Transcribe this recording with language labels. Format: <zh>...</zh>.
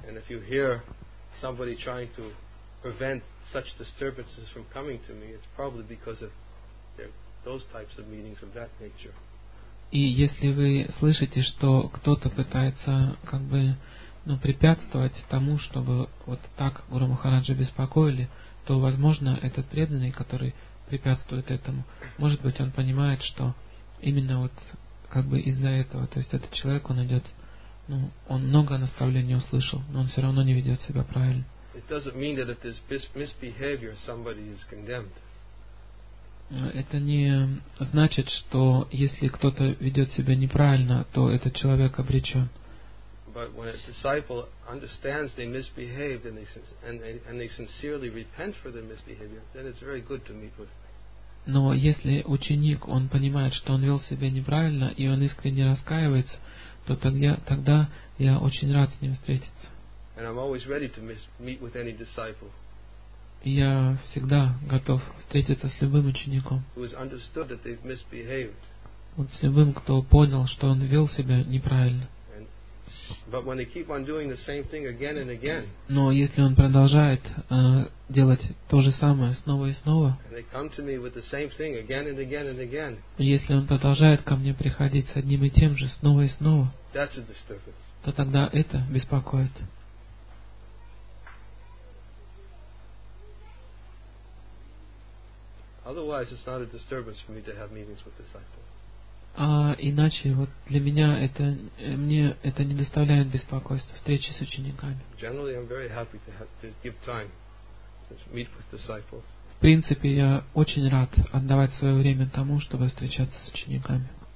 <en>And if you hear somebody trying to prevent such disturbances from coming to me, it's probably because of those types of meetings of that nature.</en> <ru>И если вы слышите, что кто-то пытается как бы препятствовать тому, чтобы вот так Гуру Махараджа беспокоили, то, возможно, этот преданный, который препятствует этому, может быть, он понимает, что именно вот как бы из-за этого, то есть этот человек, он идет, он много наставлений услышал, но он все равно не ведет себя правильно.</ru> <en>It doesn't mean that if there's misbehavior, somebody is condemned.</en> <ru>Это не значит, что если кто-то ведет себя неправильно, то этот человек обречен.</ru> <en>But when a disciple understands they misbehaved and they sincerely repent for their misbehavior, then it's very good to meet with.</en> <ru>Но если ученик, он понимает, что он вел себя неправильно, и он искренне раскаивается, то тогда я очень рад с ним встретиться.</ru> <en>And I'm always ready to meet with any disciple.</en> <ru>Я всегда готов встретиться с любым учеником.</ru> <en>Who has understood that they've misbehaved.</en> <ru>Вот с любым, кто понял, что он вел себя неправильно.</ru> <en>But when they keep on doing the same thing again and again.</en> <ru>Но если он продолжает делать то же самое снова и снова.</ru> <en>And they come to me with the same thing again and again and again.</en> <ru>Если он продолжает ко мне приходить с одним и тем же снова и снова.</ru> <en>That's a disturbance.</en> <ru>То тогда это беспокоит.</ru> <en>Otherwise, it's not a disturbance for me to have meetings with disciples.</en> <ru>А иначе вот для меня это мне это не доставляет беспокойства встречи с учениками.</ru> <en>Generally, I'm very happy to give time to meet with disciples.</en> <ru>В принципе, я очень рад отдавать свое время тому, чтобы встречаться с учениками.</ru>